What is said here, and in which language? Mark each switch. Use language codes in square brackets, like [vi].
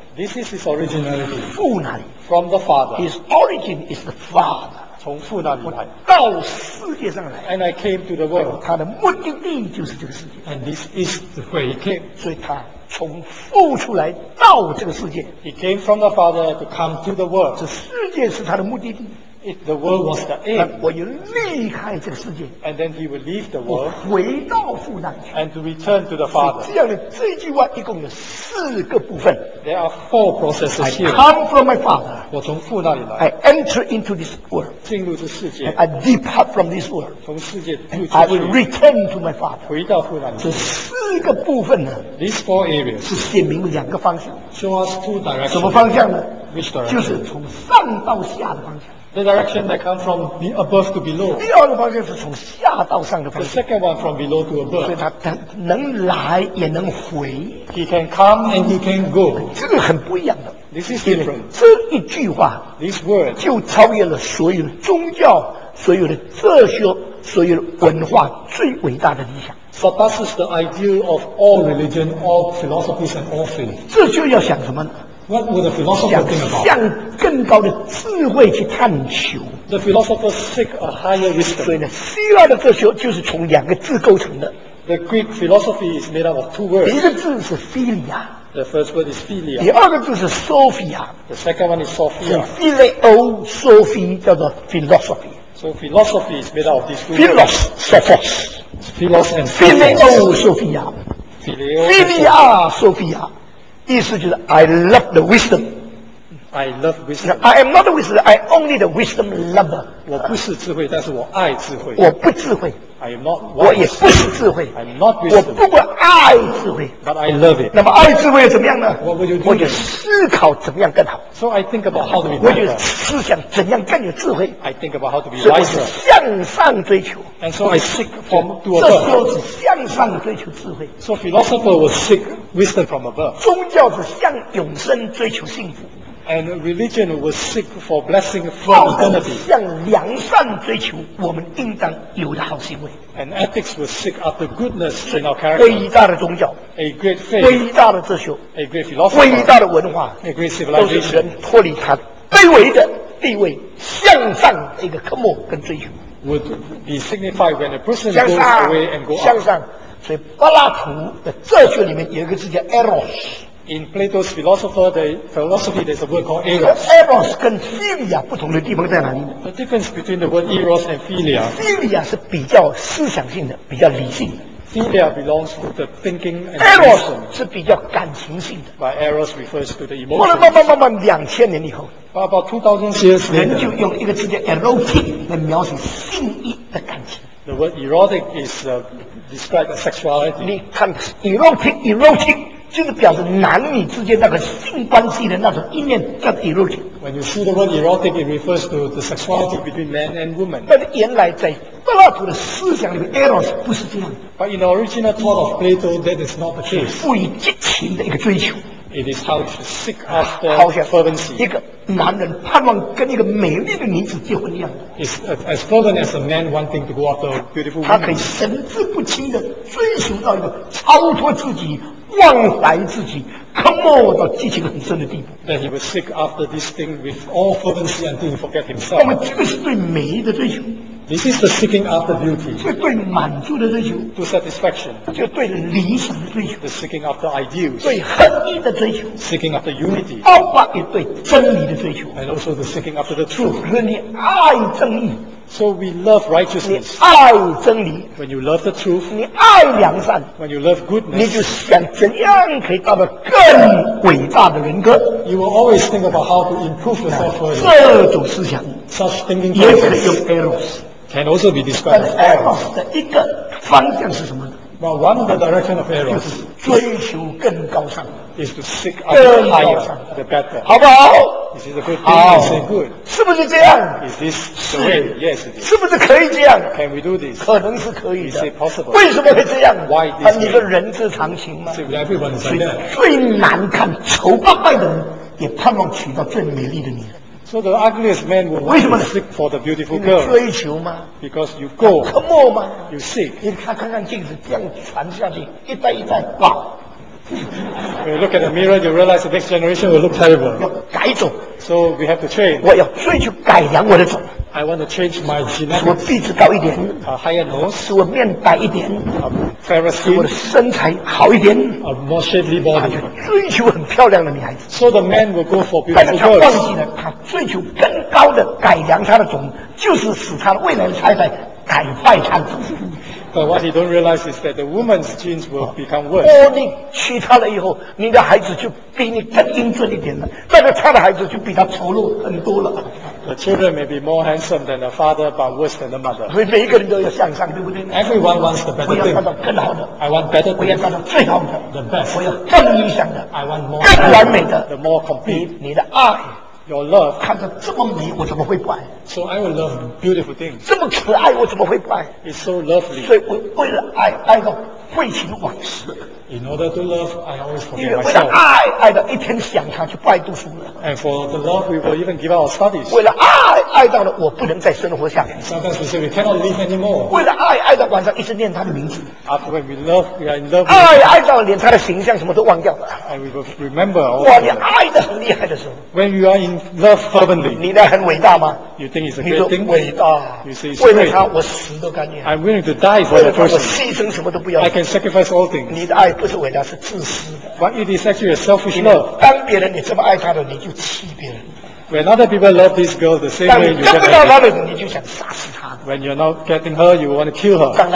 [en] This is his originality. [zh] 父哪里？ [en] From the Father. His origin is the Father. [zh] 从父那里来。到世界上来。 [en] And I came to the world. [zh] 他的目的地就是这个世界。 [en] And this is the way he came. [zh] 所以他从父出来到这个世界。 [en] He came from the Father to come to the world. [zh] 这世界是他的目的地。 [en] If the world was the aim, [zh] 我要离开这个世界 [en] ，and then he will leave the world, [zh] 回到父那里 [en] ，and to return to the Father. [zh] 这样的这句话一共有四个部分。 [en] There are four processes here. I come from my Father. [zh] 我从父那里来。 [en] I enter into this world. [zh] 进入这世界。 [en] And I depart from this world. [zh] 从世界出去。 [en] And I return to my Father. [zh] 回到父那里。这四个部分呢 [en] ？These four areas [zh] 是显明两个方向。 [en] Show us two directions. [zh] 什么方向呢 [en] ？Which direction? [zh] 就是从上到下的方向。 [en] The direction that comes from above to below. [zh] 第二个方向是从下到上的方向。 [en] The second one from below to above. [zh] 所以他能来也能回。 [en] He can come and he can go. [zh] 这个很不一样的。 [en] This is different. [zh] 这一句话 [en] ，This word， [zh] 就超越了所有的宗教、所有的哲学、所有的文化最伟大的理想。 [en] Surpasses the idea of all religion, all philosophies, and all faith. [zh] 这就要想什么呢？ [en] What would the philosopher think about? [zh] 向更高的智慧去探求。 [en] The philosophers seek a higher wisdom. [zh] 所以呢，希腊的哲学就是从两个字构成的。 [en] The Greek philosophy is made up of two words. [zh] 第一个字是 philia。 [en] The first word is philia。 [zh] 第二个字是 sophia。 [en] The second one is sophia。 [zh] 是 philo sophia 叫做 philosophy。 [en] So philosophy is made up of these two words. Philosophos. Philos and philo sophia。 philia sophia， [zh] 意思就是 [en] I love the wisdom。 I love wisdom. I am not a wisdom. I only the wisdom lover. [zh] 我不是智慧，但是我爱智慧。我不智慧。 [en] I am not. [zh] 我也不是智慧。 [en] I am not wisdom. [zh] 我不过爱智慧。 [en] But I love it. [zh] 那么爱智慧又怎么样呢？ [en] What would you do? [zh] 我就思考怎么样更好。 [en] So I think about how to be wiser. [zh] 我就思想怎样更有智慧。 [en] I think about how to be wiser. [zh] 所以我是向上追求。 [en] And so I seek from to above. [zh] 这时候是向上追求智慧。 [en] So philosopher will seek wisdom from above. [zh] 宗教是向永生追求幸福。 [en] And religion will seek for blessing from eternity. [zh] 向良善追求，我们应当有的好行为。 [en] And ethics will seek after goodness in our character. [zh] 伟大的宗教 [en] ，a great faith. [zh] 伟大的哲学 [en] ，a great philosophy. [zh] 伟大的文化 [en] ，a great civilization. [zh] 都是人脱离他卑微的地位，向上的一个科目跟追求。 [en] Would be signified when a person goes away and go up. [zh] 向上，所以柏拉图的哲学里面有一个字叫 eros。 [en] In Plato's philosophy, there's a word called eros. [zh] Eros 跟 philia 不同的地方在哪里？ [en] The difference between the word eros and philia. [zh] Philia 是比较思想性的，比较理性的。 [en] Philia belongs to the thinking and [zh] eros 是比较感情性的。 [en] But eros refers to the emotion. [zh] 慢慢两千年以后。 [en] About 2000 years later. [zh] 人就用一个字叫 erotic 来描写性欲的感情。 [en] The word erotic is described as sexuality. [zh] 你看 erotic. 就是表示男女之间那个性关系的那种意念叫 erotic。 [en] When you see the word erotic, it refers to the sexuality between man and woman. [zh] 但是原来在柏拉图的思想里面 ，eros 不是这样的。 [en] But in the original thought of Plato, that is not the case. [zh] 是赋予激情的一个追求。 [en] It is how to seek after fervency. [zh] 一个男人盼望跟一个美丽的女子结婚一样。 [en] It's as fervent as a man wanting to go after a beautiful woman. [zh] 他可以神志不清的追求到一个超脱自己。忘怀自己，渴慕到激情很深的地步。 [en] That he will seek after this thing with all fervency until he forget himself. [zh] 那么这个是对美的追求。 [en] This is the seeking after beauty. [zh] 是对满足的追求。 [en] To satisfaction. [zh] 就对理想的追求。 [en] The seeking after ideals. [zh] 对恒一的追求。 [en] Seeking after unity. [zh] 包括也对真理的追求。 [en] And also the seeking after the truth. [zh] 所以你爱真理。 [en] So we love righteousness. [zh] 你爱真理。 [en] When you love the truth. [zh] 你爱良善。 [en] When you love goodness. [zh] 你就想怎样可以到了更伟大的人格。 [en] You will always think about how to improve yourself further. [zh] 这种思想。 [en] Such thinking process. [zh] 也可以用 eros. [en] Can also be described as [zh] eros. 的一个方向是什么呢？ [en] Well, one of the direction of eros. [zh] 就是追求更高尚。 [en] Is to seek after the higher, the better. [zh] 好不好？ [en] Is it a good thing? Is it good? [zh] 是不是这样？ [en] Is this the way? Yes, it is. [zh] 是不是可以这样？ [en] Can we do this? [zh] 可能是可以的。 [en] Is it possible? [zh] 为什么会这样？ [en] Why this? [zh] 你说人之常情吗？ [en] See, everyone is like that. [zh] 最难看、丑八怪的人，也盼望娶到最美丽的女人。 [en] So the ugliest man will want to seek for the beautiful girl. [zh] 追求吗？ [en] Because you go. [zh] 渴慕吗？ [en] You seek. [zh] 你看看镜子，这样传下去，一代一代，哇！ [en] When you look at the mirror, you realize the next generation will look terrible. [zh] 要改种。 [en] So we have to change. [zh] 我要追求改良我的种。 [en] I want to change my genetics. [zh] 使我鼻子高一点。 [en] A higher nose. [zh] 使我面白一点。 [en] A fairer skin. [zh] 使我的身材好一点。 [en] A more shapely body. [zh] 追求很漂亮的女孩子。 [en] So the man will go for beautiful girls. [zh] 但是他忘记了，他追求更高的改良他的种，就是使他的未来的太太改坏他的种。 [en] But what he don't realize is that the woman's genes will become worse. [zh] 哦，你娶她了以后，你的孩子就比你更英俊一点了。但是她的孩子就比她丑陋很多了。 [en] The children may be more handsome than the father, but worse than the mother. [zh] 所以每一个人都要向上，对不对？ [en] Everyone wants the better thing. [zh] 我要看到更好的。 [en] I want better. [zh] 我要看到最好的。 [en] The best. [zh] 我要更理想的。 [en] I want more. [zh] 更完美的。 [en] The more complete. [zh] 你的爱。 [en] Your love, [zh] 看着这么美，我怎么会不爱？ [en] So I will love beautiful things. [zh] 这么可爱，我怎么会不爱？ [en] It's so lovely. [zh] 所以我为了爱，爱到废寝忘食。 [en] In order to love, I always forget myself. [zh] 因为为了爱，爱到一天想他就不爱读书了。 [en] And for the love, we will even give up our studies. [zh] 为了爱，爱到了我不能再生活下去。 [en] Sometimes we say we cannot live anymore. [zh] 为了爱，爱到晚上一直念他的名字。 [en] After when we love, we are in love. [zh] 爱爱到连他的形象什么都忘掉了。 [en] And we will remember. [zh] 哇，你爱得很厉害的时候。 [en] When you are in love fervently. [zh] 你那很伟大吗？ [en] You think it's a great thing? [zh] 伟大。 [en] You say it's great. [zh] 为了他，我死都甘愿。 [en] I'm willing to die for that person. [zh] 我牺牲什么都不要。 [en] I can sacrifice all things. [zh] 你的爱不是伟大，是自私的。 [en] But it is actually a selfish love. [zh] 当别人你这么爱他的，你就气别人。 [en] When other people love this girl the same way you get her, [zh] 当你看不到她的时候，你就想杀死她。 [en] When you're not getting her, you want to kill her.